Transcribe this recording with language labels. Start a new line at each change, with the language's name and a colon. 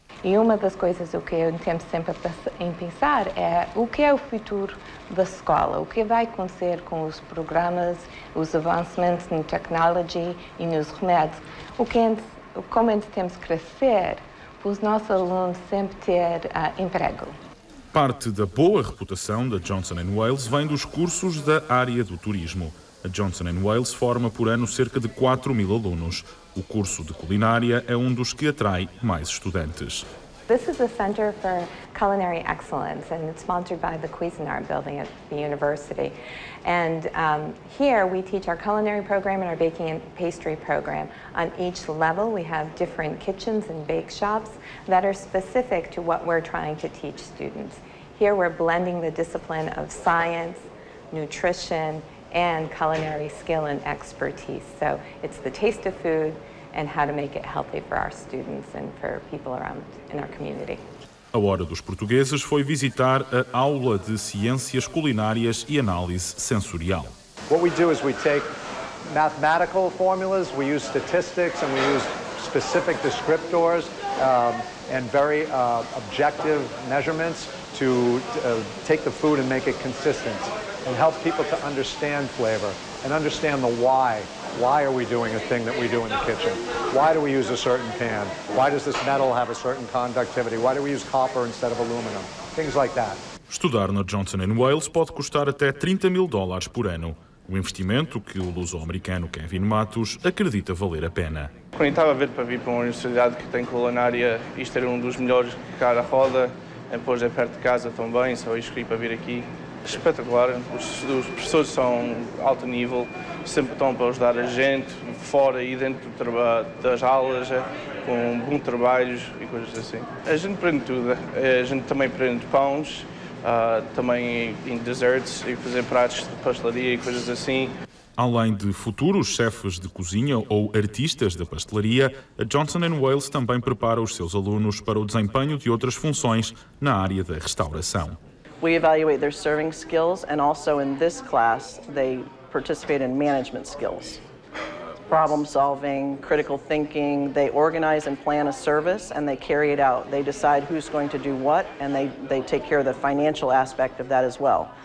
Portuguese: E uma das coisas que eu tento sempre em pensar é o que é o futuro da escola, o que vai acontecer com os programas, os avancements em tecnologia e nos remédios, como nós temos que crescer para os nossos alunos sempre ter emprego. Parte da boa reputação da Johnson & Wales vem dos cursos da área do turismo. A Johnson & Wales forma por ano cerca de 4 mil alunos. O curso de culinária é um dos que atrai mais estudantes.
English: This is a center for culinary excellence and it's sponsored by the Cuisinart building at the university. And here we teach our culinary program and our baking and pastry program. On each level we have different kitchens and bake shops that are specific to what we're trying to teach students. Here we're blending the discipline of science, nutrition, and culinary skill and expertise. So it's the taste of food and how to make it healthy for our students and for people around in our community.
Portuguese: A Hora dos Portugueses foi visitar a aula de ciências culinárias e análise sensorial.
English: What we do is we take mathematical formulas, we use statistics and we use specific descriptors and very objective measurements to take the food and make it consistent. And help people to understand flavor and understand the why. Why are we doing a thing that we do in the kitchen? Why do we use a certain pan? Why does this metal have a certain conductivity? Why do we use copper instead of aluminum? Things like that.
Portuguese: Estudar na Johnson & Wales pode custar até 30 mil dólares por ano. O investimento que o luso-americano Kevin Matos acredita valer a pena. Quando estava a ver para vir para uma universidade que tem culinária, isto era um dos melhores que cá na roda, depois é perto de casa também, só escolhi para vir aqui. Espetacular, os professores são alto nível, sempre estão para ajudar a gente, fora e dentro das aulas, com bons trabalhos e coisas assim. A gente aprende tudo, a gente também aprende pães, também em desserts e fazer pratos de pastelaria e coisas assim. Além de futuros chefes de cozinha ou artistas da pastelaria, a Johnson & Wales também prepara os seus alunos para o desempenho de outras funções na área da restauração.
English: We evaluate their serving skills and also in this class they participate in management skills. Problem solving, critical thinking, they organize and plan a service and they carry it out. They decide who's going to do what and they take care of the financial aspect of that as well.